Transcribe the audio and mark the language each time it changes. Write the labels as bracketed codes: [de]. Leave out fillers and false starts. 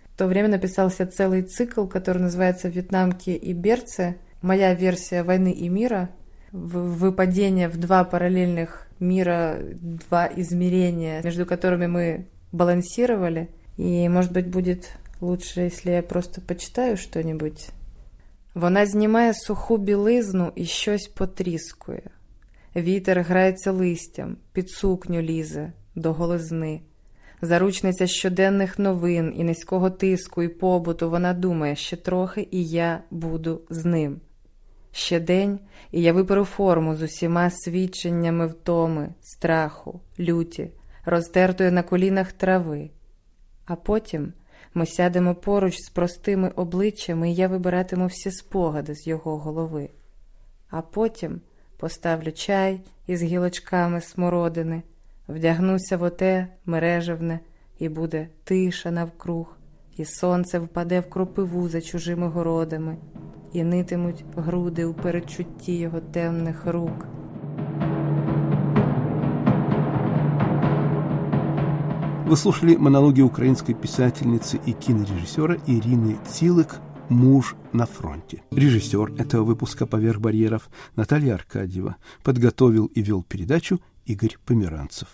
[ru] В то время написался целый цикл, который называется «Вьетнамки и берцы». Моя версия войны и мира. Выпадение в 2 параллельных мира, 2 измерения, между которыми мы балансировали. И, может быть, будет лучше, если я просто почитаю что-нибудь. [uk] Вона знімає суху білизну і щось потріскує. Вітер грається листям, під сукню лізе, до голизни. Заручниця щоденних новин і низького тиску, і побуту вона думає, ще трохи, і я буду з ним. Ще день, і я виперу форму з усіма свідченнями втоми, страху, люті, розтертої на колінах трави. А потім ми сядемо поруч з простими обличчями, і я вибиратиму всі спогади з його голови. А потім поставлю чай із гілочками смородини, вдягнуся в оте мережевне, і буде тиша навкруг, і сонце впаде в кропиву за чужими городами, і нитимуть груди у передчутті його темних рук». [ru] Вы слушали монологи украинской писательницы и кинорежиссера Ирины Цилык «Муж на фронте». Режиссер этого выпуска «Поверх барьеров» Наталья Аркадьева. Подготовил и вел передачу Игорь Померанцев.